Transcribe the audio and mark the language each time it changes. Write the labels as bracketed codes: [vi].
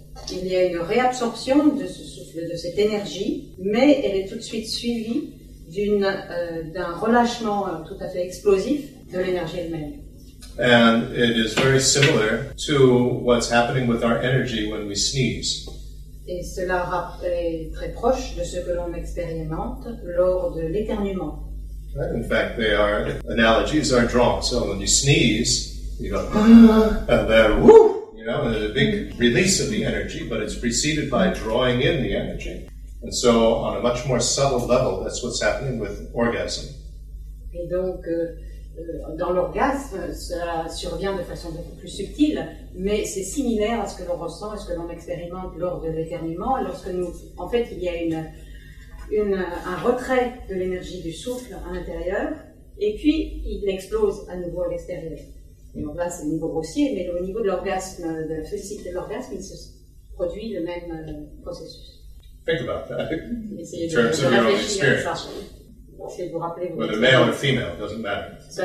[fr] Il y a une réabsorption de ce souffle, de cette énergie, mais elle est tout de suite suivie d'un relâchement tout à fait explosif de l'énergie elle-même. [en] And it is very similar to what's happening with our energy when we sneeze. [fr] Et cela est très proche de ce que l'on expérimente lors de l'éternuement. [en] In fact, they are analogies are drawn. So when you sneeze, you go, and then whoo, you know, there's a big release of the energy, but it's preceded by drawing in the energy. And so on a much more subtle level, that's what's happening with orgasm. [fr] Et donc, dans l'orgasme, cela survient de façon beaucoup plus subtile, mais c'est similaire à ce que l'on ressent, à ce que l'on expérimente lors de l'éternuement, lorsque nous, en fait, il y a un retrait de l'énergie du souffle à l'intérieur, et puis il explose à nouveau à l'extérieur. Donc là, c'est au niveau grossier, mais au niveau de l'orgasme, de ce cycle de l'orgasme, il se produit le même processus. [en] Think about that. In terms of your own experience. Whether male or female, it doesn't matter.